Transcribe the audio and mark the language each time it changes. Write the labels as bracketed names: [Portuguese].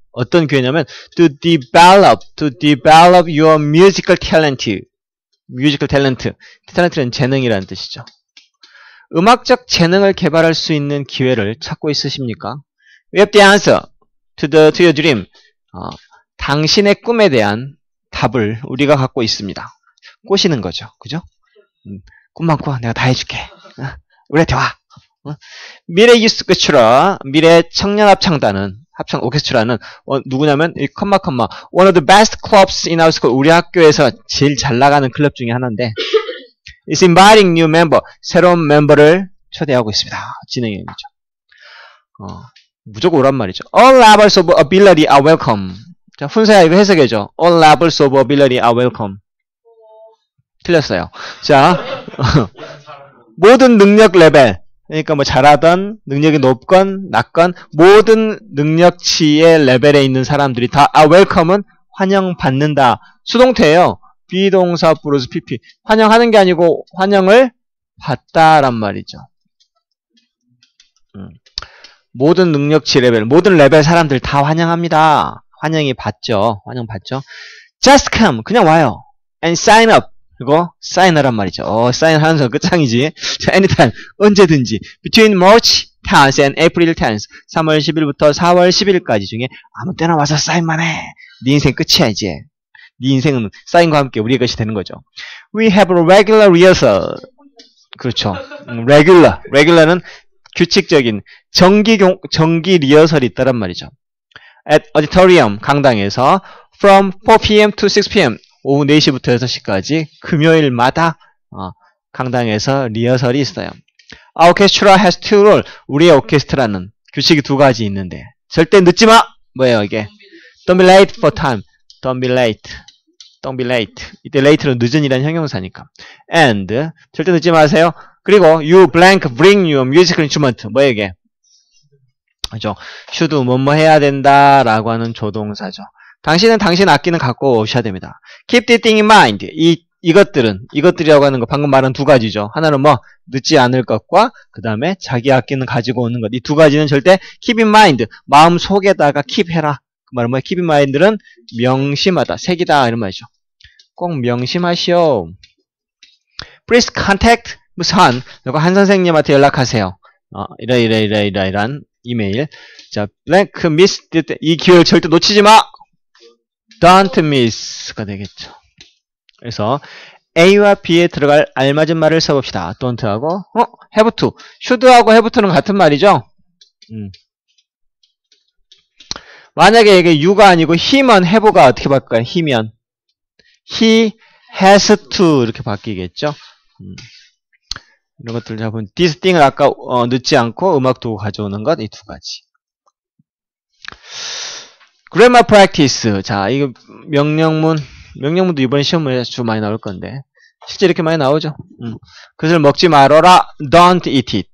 [Korean] 어떤 기회냐면 [English] to develop your musical talent. musical talent. [Korean] talent는 재능이라는 뜻이죠. 음악적 재능을 개발할 수 있는 기회를 찾고 있으십니까? [English] We have the answer to your dream. [Korean] 당신의 꿈에 대한 답을 우리가 갖고 있습니다. 꼬시는 거죠. 그죠? 꿈 많고 내가 다 해줄게. 우리한테 와. 미래 유스 그츄라, 미래 청년 합창단은, 합창 오케스트라는, 누구냐면, 이 컴마. [English] One of the best clubs in our school. [Korean] 우리 학교에서 제일 잘 나가는 클럽 중에 하나인데, [English] is inviting new member. [Korean] 새로운 멤버를 초대하고 있습니다. 진행형이죠. 무조건 오란 말이죠. [English] All levels of ability are welcome. [Korean] 자, 훈서야, 이거 해석해줘. [English] All levels of ability are welcome. [Korean] 틀렸어요. 자, 모든 능력 레벨. 그러니까 뭐 잘하던 능력이 높건 낮건 모든 능력치의 레벨에 있는 사람들이 다 welcome은 환영받는다. 수동태예요. be 동사 plus pp. 환영하는 게 아니고 환영을 받다란 말이죠. 모든 능력치 레벨, 모든 레벨 사람들 다 환영합니다. 환영이 받죠. 환영받죠. [English] just come. [Korean] 그냥 와요. [English] and sign up. [Korean] 그리고 사인하란 말이죠. 사인하는 건 끝장이지. 자, anytime, 언제든지. [English] Between March 10th and April 10th. [Korean] 3월 10일부터 4월 10일까지 중에 아무 때나 와서 사인만 해. 네 인생 끝이야 이제. 네 인생은 사인과 함께 우리의 것이 되는 거죠. [English] We have a regular rehearsal. [Korean] 그렇죠. Regular. Regular는 규칙적인 정기 리허설이 있다란 말이죠. [English] At auditorium, [Korean] 강당에서 [English] from 4pm to 6pm. [Korean] 오후 4시부터 6시까지 금요일마다 강당에서 리허설이 있어요. [English] Orchestra has two rules. [Korean] 우리의 오케스트라는 규칙이 두 가지 있는데 절대 늦지 마. 뭐예요 이게? [English] Don't be late for time. Don't be late. [Korean] 이때 late는 늦은이라는 형용사니까. And 절대 늦지 마세요. 그리고 [English] you blank bring your musical instrument [Korean] 뭐에게? 그죠. should 뭐뭐 해야 된다 라고 하는 조동사죠. 당신은 당신 악기는 갖고 오셔야 됩니다. [English] keep the thing in mind. [Korean] 이것들이라고 하는 거 방금 말한 두 가지죠. 하나는 뭐 늦지 않을 것과 그 다음에 자기 악기는 가지고 오는 것. 이 두 가지는 절대 keep in mind. 마음 속에다가 keep 해라. 그 말은 뭐 keep in mind는 명심하다. 새기다 이런 말이죠. 꼭 명심하시오. [English] please contact [Korean] 무슨 한 선생님한테 연락하세요. 이런 이메일. 자, blank miss 이 기회를 절대 놓치지 마. Don't miss가 되겠죠. 그래서 A와 B에 들어갈 알맞은 말을 써봅시다. Don't 하고 have to, should 하고 have to는 같은 말이죠. 만약에 이게 you가 아니고 him은 have가 어떻게 바뀔까요? him이면 he has to 이렇게 바뀌겠죠. 이런 것들 잡은 this thing을 아까 늦지 않고 음악 두고 가져오는 것, 이 두 가지. [English] grammar practice. [Korean] 자, 이거 명령문도 이번에 시험에 주 많이 나올 건데 실제 이렇게 많이 나오죠. 그것을 먹지 말아라. [English] don't eat it.